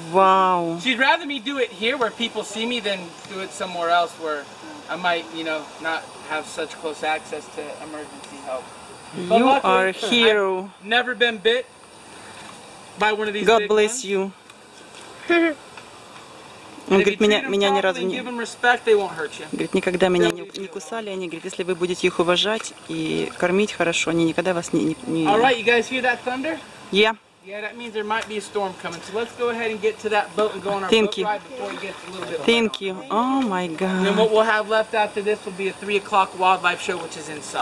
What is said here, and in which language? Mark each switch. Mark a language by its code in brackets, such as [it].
[en] Wow. She'd rather me do it here where people see me than do it somewhere else where I might, you know, not have such close access to emergency help. You are a hero. I've never been bit by one of these. God bless you. [ru] Он говорит, меня ни разу не... Говорит, никогда меня не кусали. Они, говорит, если вы будете их уважать и кормить хорошо, они никогда вас не... [en] All right, you guys hear that thunder? Yeah. Yeah, that means there might be a storm coming. So let's go ahead and get to that boat and go on our Thank boat you. Ride before it gets a little bit Thank wild. You. Oh my God. And then what we'll have left after this will be a 3 o'clock wildlife show, which is inside.